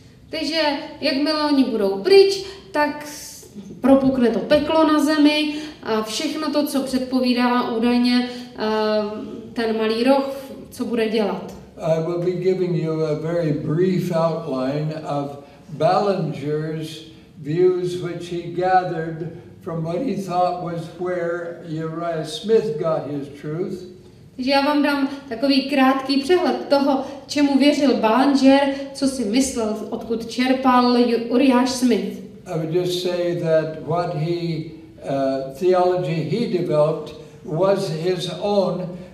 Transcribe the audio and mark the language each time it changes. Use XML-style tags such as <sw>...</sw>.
<cs>Takže jakmile oni budou pryč, tak propukne to peklo na zemi a všechno to, co předpovídala údajně ten malý roh, co bude dělat.</cs> <en>I will be giving you a very brief outline of Ballinger's views, which he gathered from what he thought was where Uriah Smith got his truth.</en> <cs>Takže já vám dám takový krátký přehled toho, čemu věřil Ballinger, co si myslel, odkud čerpal Uriah Smith.</cs> <en>I would just say that what he, theology he developed was his own.</en>